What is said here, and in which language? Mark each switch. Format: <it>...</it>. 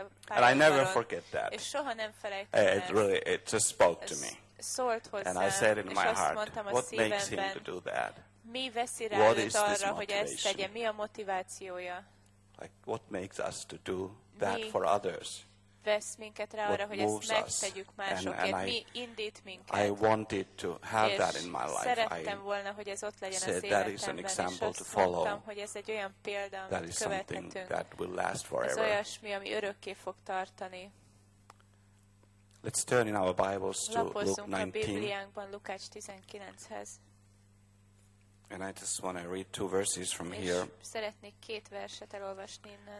<en>And I never forget that. It just spoke to me. And I said in my heart, what makes him to do that? What is this motivation? Like, what makes us to do that for others?</en> <hu>Vesz minket rá arra, hogy ezt megtegyük másokért. Mi indít minket.</hu> <en>I wanted to have that in my life.</en> <hu>Szerettem volna, hogy ez ott legyen az életemben, és azt mondtam, hogy ez egy olyan példa, amit követhetünk. Ez olyasmi, ami örökké fog tartani.</hu> <en>Let's turn in our Bibles to Luke 19.</en> <hu>Lapozzunk a Bibliánkban Lukács 19-hez.</hu> <en>And I just want to read two verses from here.</en> <hu>Szeretnék két verset elolvasni innen.</hu>